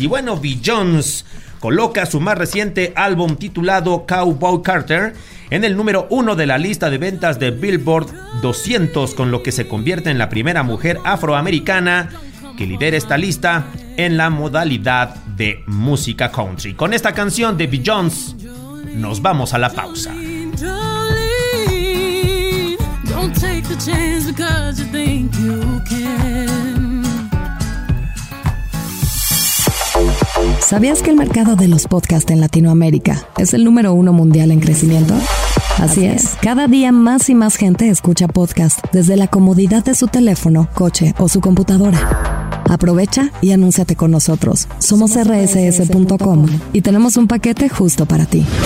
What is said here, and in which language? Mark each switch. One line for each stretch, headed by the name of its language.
Spanish: Y bueno, Beyoncé coloca su más reciente álbum titulado Cowboy Carter en el número 1 de la lista de ventas de Billboard 200, con lo que se convierte en la primera mujer afroamericana que lidera esta lista en la modalidad de música country. Con esta canción de Beyoncé, nos vamos a la pausa.
English: Don't take the chance because you think you can.
Spanish: ¿Sabías que el mercado de los podcasts en Latinoamérica es el número 1 mundial en crecimiento? Así es. Cada día más y más gente escucha podcast desde la comodidad de su teléfono, coche o su computadora. Aprovecha y anúnciate con nosotros. Somos rss.com y tenemos un paquete justo para ti.